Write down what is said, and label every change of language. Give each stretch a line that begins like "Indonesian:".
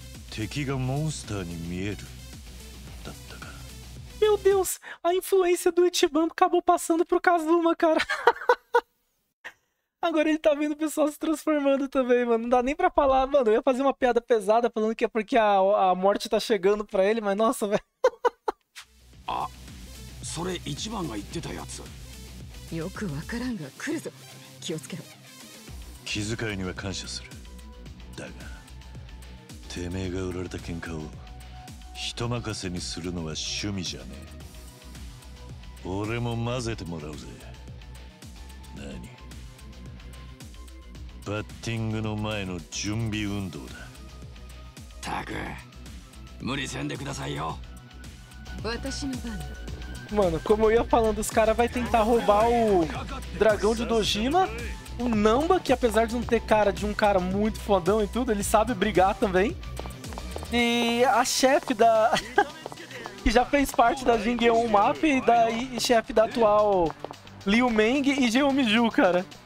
Japanese: 敵がモンスターに見えるだったか。
Portuguese: Meu Deus, a influência do Ichiban acabou passando pro Kazuma, cara. Agora ele tá vendo o pessoal se transformando também, mano. Não dá nem pra falar, mano. Eu ia fazer uma piada pesada falando que é porque a morte tá chegando pra ele, mas nossa, velho.
Japanese: Ah, それ Ichiban が言ってたやつ。よくわからんが来るぞ。気をつけろ。気遣いには感謝する。だが。てめえが売られた喧嘩を人任せにするのは趣味じゃねえ。俺も混ぜてもらうぜ。何？バッティングの前の準備運動だ。ったく、無理せんでくださいよ。私の番だ。
Portuguese: Mano, como eu ia falando, os caras vão tentar roubar o dragão de Dojima. O Namba, que apesar de não ter cara de um cara muito fodão e tudo, ele sabe brigar também. E a chefe da... que já fez parte da Jingyeon Map e da chefe da atual Liu Meng e Jeomiju, cara.